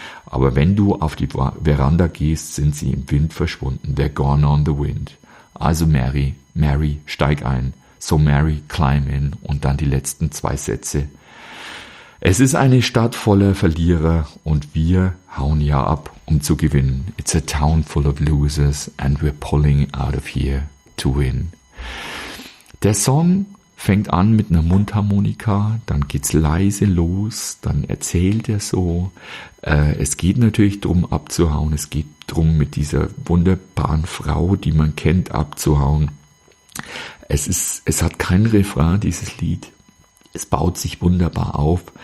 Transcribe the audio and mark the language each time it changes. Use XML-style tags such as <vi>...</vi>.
<de>Aber wenn du auf die Veranda gehst, sind sie im Wind verschwunden.</de> <en>They're gone on the wind.</en> <de>Also Mary, Mary, steig ein.</de> <en>So Mary, climb in.</en> <de>Und dann die letzten zwei Sätze. Es ist eine Stadt voller Verlierer und wir hauen ja ab, um zu gewinnen.</de> <en>It's a town full of losers and we're pulling out of here to win.</en> <de>Der Song fängt an mit einer Mundharmonika, dann geht's leise los, dann erzählt er so. Es geht natürlich drum abzuhauen, es geht drum mit dieser wunderbaren Frau, die man kennt, abzuhauen. Es hat kein Refrain, dieses Lied. Es baut sich wunderbar auf.</de>